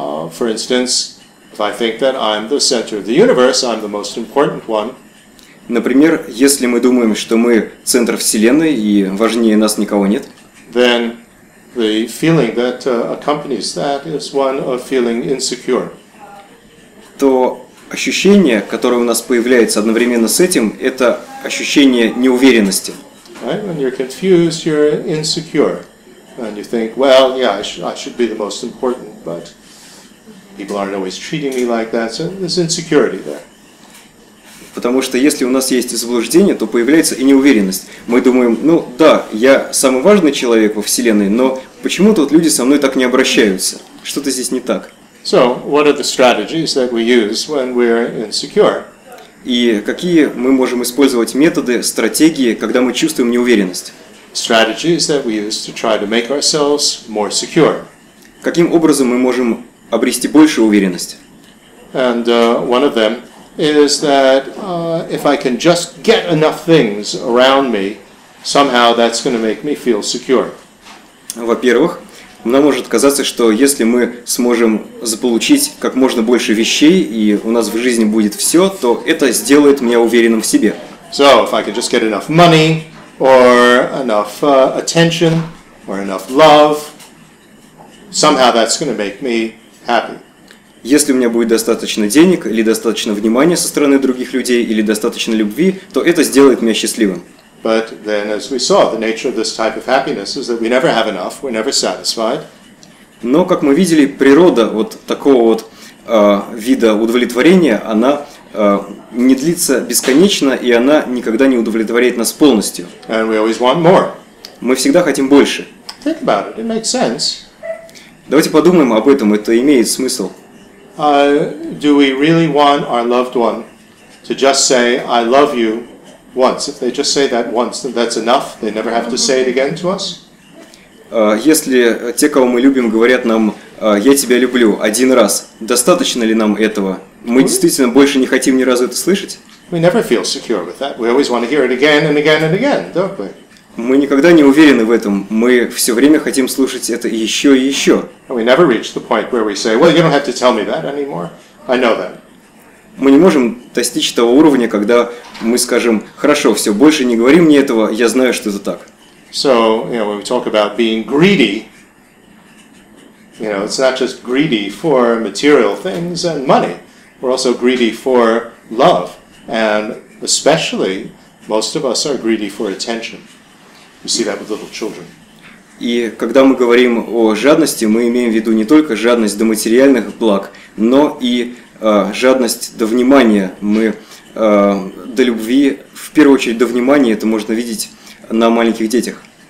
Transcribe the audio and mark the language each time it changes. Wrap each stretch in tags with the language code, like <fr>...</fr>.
<en>For instance, if I think that I'm the center of the universe, I'm the most important one.</en> <ru>Например, если мы думаем, что мы центр вселенной и важнее нас никого нет.</ru> <en>Then the feeling that accompanies that is one of feeling insecure.</en> <ru>То ощущение, которое у нас появляется одновременно с этим, это ощущение неуверенности.</ru> <en>Right? When you're confused, you're insecure, and you think, well, yeah, I should be the most important, but people aren't always treating me like that, so there's insecurity there.</en> <ru>Потому что если у нас есть заблуждение, то появляется и неуверенность. Мы думаем, ну да, я самый важный человек во Вселенной, но почему-то вот люди со мной так не обращаются. Что-то здесь не так.</ru> <en>So, what are the strategies that we use when we're insecure?</en> <ru>И какие мы можем использовать методы, стратегии, когда мы чувствуем неуверенность?</ru> <en>Strategies that we use to try to make ourselves more secure.</en> <ru>Каким образом мы можем обрести больше уверенности?</ru> <en>And one of them is that if I can just get enough things around me, somehow that's going to make me feel secure.</en> <ru>Во-первых, нам может казаться, что если мы сможем заполучить как можно больше вещей, и у нас в жизни будет все, то это сделает меня уверенным в себе.</ru> <en>So, if I can just get enough money, or enough attention, or enough love, somehow that's going to make me happy.</en> <ru>Если у меня будет достаточно денег, или достаточно внимания со стороны других людей, или достаточно любви, то это сделает меня счастливым.</ru> <en>But then, as we saw, the nature of this type of happiness is that we never have enough, we're never satisfied.</en> <ru>Но, как мы видели, природа вот такого вот вида удовлетворения, она не длится бесконечно, и она никогда не удовлетворяет нас полностью.</ru> <en>And we always want more.</en> <ru>Мы всегда хотим больше.</ru> <en>Think about it. It makes sense.</en> <ru>Давайте подумаем об этом. Это имеет смысл.</ru> <en>Do we really want our loved one to just say, I love you, once? If they just say that once, then that's enough. They never have to say it again to us?</en> <ru>Если те, кого мы любим, говорят нам, я тебя люблю один раз, достаточно ли нам этого? Мы действительно больше не хотим ни разу это слышать?</ru> <en>We never feel secure with that. We always want to hear it again and again and again, don't we?</en> <ru>Мы никогда не уверены в этом. Мы все время хотим слушать это еще и еще.</ru> <en>And we never reach the point where we say, well, you don't have to tell me that anymore. I know that.</en> <ru>Мы не можем достичь того уровня, когда мы скажем, хорошо, все, больше не говори мне этого, я знаю, что это так.</ru> <en>So, you know, when we talk about being greedy, you know, it's not just greedy for material things and money. We're also greedy for love. And especially, most of us are greedy for attention. We see that with little children.</en> <ru>И когда мы говорим о жадности, мы имеем в виду не только жадность до материальных благ, но и жадность до внимания. Мы до любви, в первую очередь до внимания, это можно видеть на маленьких детях.</ru>